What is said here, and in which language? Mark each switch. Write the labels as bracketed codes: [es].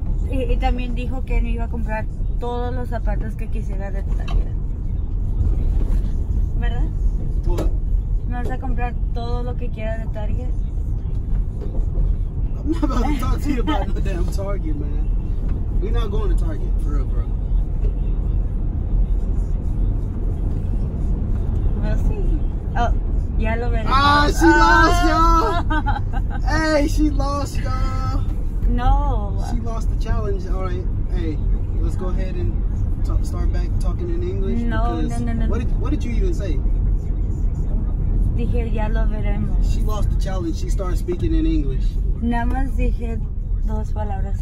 [es] Y también dijo que no iba a comprar todos los zapatos que quisiera de tu tarjeta. ¿Verdad? [en] What? [es] ¿Me vas a comprar todo lo que quiera de Target? [en] I'm not about to talk to you about no damn Target, man. We're not going to Target, for real, bro. We'll see. [es] Oh, ya lo veré. [en] Ah, she lost, y'all. Hey, she lost, y'all. [es] No. [en] She lost the challenge. All right, hey, let's go ahead and start back talking in English. [es] No, no, no, no. [en] What did you even say? [es] dije, ya lo veremos. [en] She lost the challenge. She started speaking in English. [es] Nada más dije dos palabras.